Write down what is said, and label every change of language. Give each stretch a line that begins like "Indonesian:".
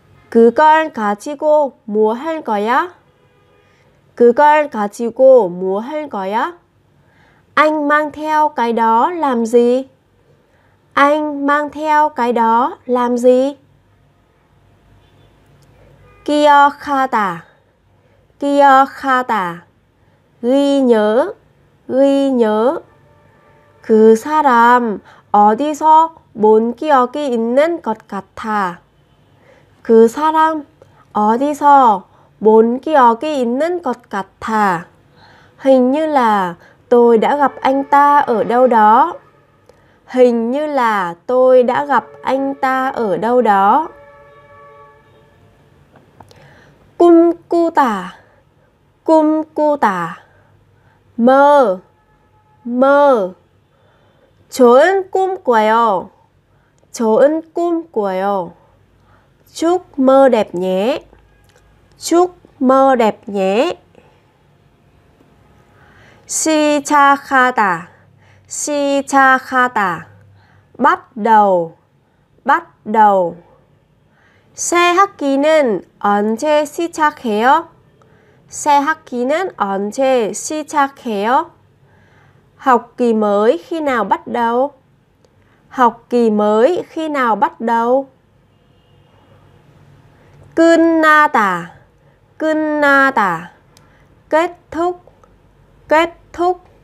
Korean: Cứ걸 가지고 뭐 할 거야? Cứ걸 가지고 뭐 할 거야?
Vietnamese: Anh mang theo cái đó làm gì? Anh mang theo cái đó làm gì?
Korean: 기억하다. 기억하다.
Vietnamese: Ghi nhớ. Ghi nhớ.
Korean: 그 사람 어디서 뭔 기억이 있는 것 같아. 그 사람 어디서 뭔 기억이 있는 것 같아.
Vietnamese: Hình như là tôi đã gặp anh ta ở đâu đó. Hình như là tôi đã gặp anh ta ở đâu đó.
Korean: 꿈꾸다. 꿈꾸다. 뭐. 뭐. 좋은 꿈 꿔요. 좋은 꿈 꿔요.
Vietnamese: Chúc mơ đẹp nhé. Chúc mơ đẹp nhé.
Korean: 시작하다. 시작하다.
Vietnamese: Bắt đầu. Bắt đầu.
Korean: 새 학기는 언제 시작해요? 새 학기는 언제 시작해요?
Vietnamese: Học kỳ mới khi nào bắt đầu? Học kỳ mới khi nào bắt đầu?
Korean: 끝나다. 끝나다.
Vietnamese: Kết thúc. Kết thúc.